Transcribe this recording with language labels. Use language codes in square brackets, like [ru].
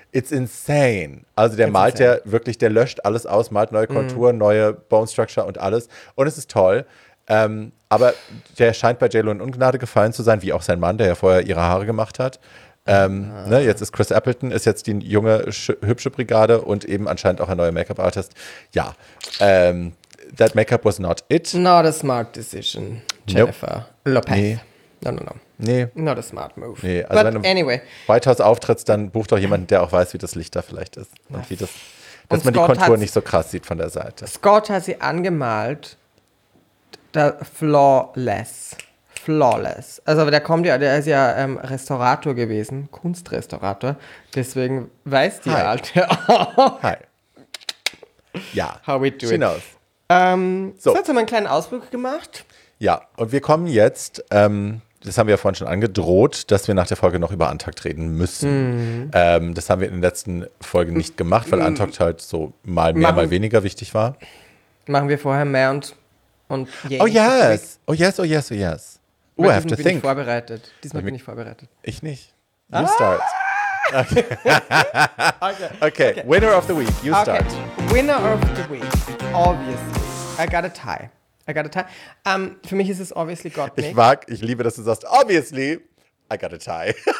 [en] It's insane. [de] Also der malt ja wirklich, der löscht alles aus, malt neue Kontur, neue Bone Structure und alles. Und es ist toll. Aber der scheint bei J-Lo in Ungnade gefallen zu sein, wie auch sein Mann, der ja vorher ihre Haare gemacht hat. Jetzt ist Chris Appleton, ist jetzt die junge, hübsche Brigade und eben anscheinend auch ein neuer Make-up-Artist. [en] Ja, that makeup was not it. Not a smart decision, Jennifer Lopez. [de] Nee. [en] No. [de] Nee. [en] Not a smart move. [de] Nee. [en] Also but anyway. [de] White House auftrittst, dann bucht doch jemanden, der auch weiß, wie das Licht da vielleicht ist. Und wie das, dass und Scott die Kontur nicht so krass sieht von der Seite. Scott hat sie angemalt, flawless. Flawless. Also der kommt ja, der ist ja Restaurator gewesen, Kunstrestaurator. Deswegen weiß die Alte auch. Hi. Ja. [en] How we do she it. Knows. So. [de] Jetzt haben wir einen kleinen Ausflug gemacht. Ja, und wir kommen jetzt, das haben wir ja vorhin schon angedroht, dass wir nach der Folge noch über Untucked reden müssen. Mhm. Das haben wir in den letzten Folgen nicht gemacht, weil Untucked halt so mal mehr, mal weniger wichtig war. Machen wir vorher mehr und [en] yay. Oh yes, oh yes, oh yes, oh yes. Oh, I have to think. [de] Diesmal bin ich vorbereitet. Ich nicht. [en] You start. Okay. Okay, winner of the week, you start. Okay. Winner of the week, obviously. I got a tie. [de] Für mich ist es obviously Gottmik. Ich liebe, dass du sagst, obviously, [en] I got a tie.